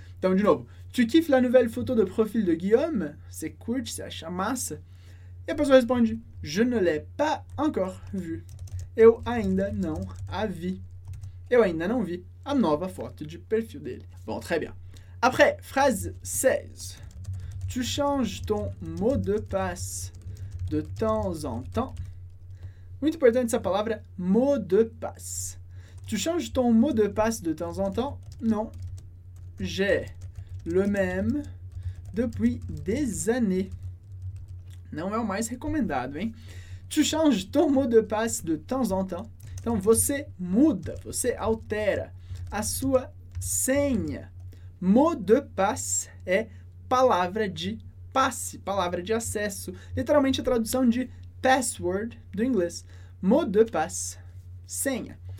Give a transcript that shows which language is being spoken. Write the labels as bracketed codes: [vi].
[pt] Então, de novo, [fr] tu kiffes la nouvelle photo de profil de Guillaume? [pt] Você curte, você acha massa? E a pessoa responde, [fr] je ne l'ai pas encore vu. [pt] Eu ainda não a vi. Eu ainda não vi a nova foto de perfil dele. [fr] Bom, très bien. Après, phrase 16. Tu changes ton mot de passe de temps en temps. [pt] Muito importante essa palavra, [fr] mot de passe. Tu changes ton mot de passe de temps en temps? Non. J'ai le même depuis des années. [pt] Não é o mais recomendado, hein? [fr] Tu changes ton mot de passe de temps en temps. [pt] Então, você muda, você altera a sua senha. Mot de passe é palavra de passe, palavra de acesso. Literalmente, a tradução de password do inglês. Mot de passe, senha.